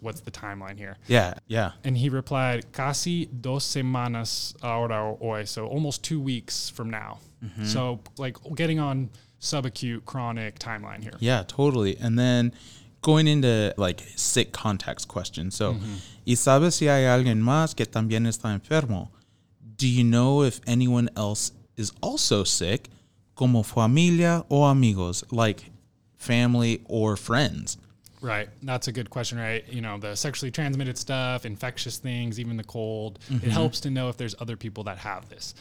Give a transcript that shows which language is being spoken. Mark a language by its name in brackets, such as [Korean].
[English] What's the timeline here? Yeah. Yeah. And he replied, [Spanish] casi dos semanas ahora hoy. [English] So almost 2 weeks from now. Mm-hmm. So like getting on subacute chronic timeline here. Yeah, totally. And then going into like sick context questions. [Spanish] So, mm-hmm. ¿Y sabes si hay alguien más que también está enfermo? [English] Do you know if anyone else is also sick? [Spanish] Como familia o amigos, [English] like family or friends? Right. That's a good question, right? You know, the sexually transmitted stuff, infectious things, even the cold. Mm-hmm. It helps to know if there's other people that have this.